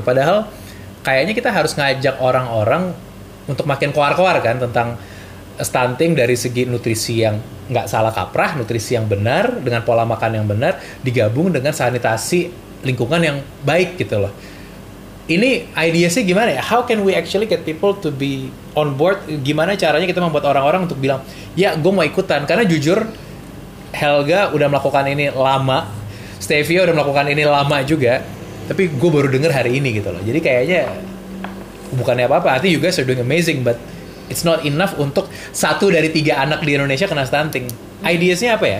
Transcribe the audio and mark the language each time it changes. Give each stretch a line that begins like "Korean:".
Indonesian: Padahal kayaknya kita harus ngajak orang-orang untuk makin keluar-keluar kan tentang stunting dari segi nutrisi yang nggak salah kaprah, nutrisi yang benar dengan pola makan yang benar digabung dengan sanitasi lingkungan yang baik gitu loh. Ini ideasnya gimana ya?
English: How can we actually get people to be on board?
Indonesian: Gimana caranya kita membuat orang-orang untuk bilang, ya gue mau ikutan? Karena jujur, Helga udah melakukan ini lama, Stevia udah melakukan ini lama juga, tapi gue baru dengar hari ini gitu loh. Jadi kayaknya bukannya apa-apa,
English: I think you guys are doing amazing, but it's not enough
Indonesian: untuk satu dari tiga anak di Indonesia kena stunting. Ideasnya apa ya?